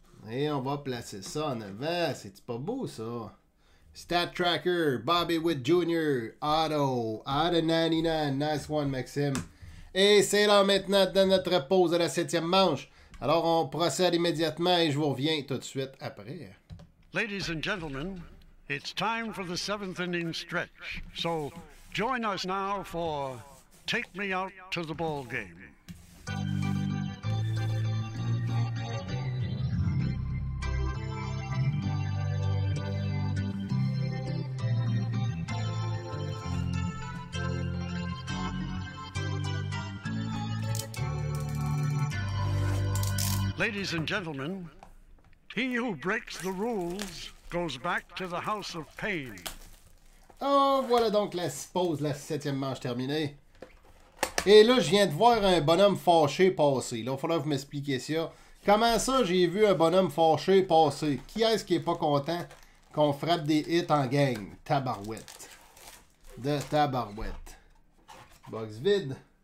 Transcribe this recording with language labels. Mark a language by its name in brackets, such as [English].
[French] Et on va placer ça en avant. C'est pas beau, ça? Stat tracker, Bobby Witt Jr., auto. [English] Out of 99. Nice one, Maxime. [French] Et c'est là maintenant de notre pause de la septième manche. Alors, on procède immédiatement et je vous reviens tout de suite après. [English] Ladies and gentlemen, it's time for the seventh inning stretch. So, join us now for Take Me Out to the Ball Game. Ladies and gentlemen, he who breaks the rules goes back to the house of pain. [French] Oh, voilà donc la pause, la septième manche terminée. Et là, je viens de voir un bonhomme fâché passer. Là, il faudra que vous m'expliquiez ça. Comment ça, j'ai vu un bonhomme fâché passer? Qui est-ce qui est pas content qu'on frappe des hits en gang? Tabarouette. De tabarouette. Box vide.